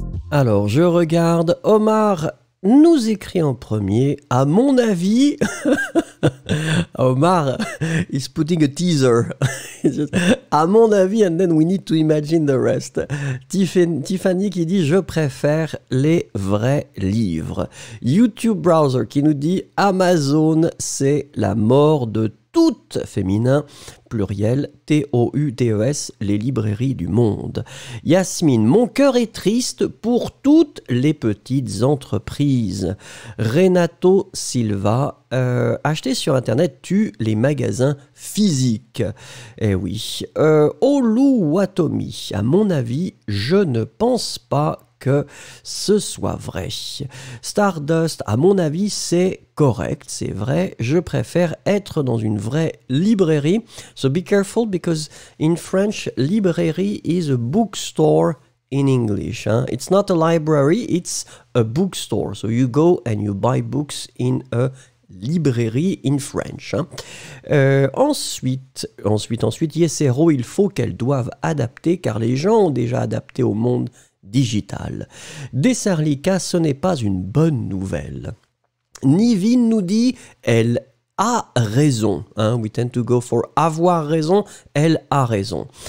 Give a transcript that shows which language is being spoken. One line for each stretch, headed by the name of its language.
French: Alors, je regarde Omar nous écrit en premier, à mon avis,
English: Omar is putting a teaser.
French: À mon avis,
English: and then we need to imagine the rest.
French: Tiffany qui dit, je préfère les vrais livres. YouTube Browser qui nous dit, Amazon, c'est la mort de toutes, féminin, pluriel, T-O-U-T-E-S, les librairies du monde. Yasmine, mon cœur est triste pour toutes les petites entreprises. Renato Silva, acheter sur Internet tue les magasins physiques. Eh oui. Olu Watomi, à mon avis, je ne pense pas que ce soit vrai. Stardust, à mon avis, c'est correct, c'est vrai. Je préfère être dans une vraie librairie.
English: So be careful because in French, library is a bookstore in English. Hein? It's not a library, it's a bookstore. So you go and you buy books in a librairie in French. Hein?
French: Ensuite, Yesero, il faut qu'elles doivent adapter car les gens ont déjà adapté au monde digital. Desarlika, ce n'est pas une bonne nouvelle. Nivin nous dit, elle a raison.
English: Hein, we tend to go for
French: avoir raison, elle a raison.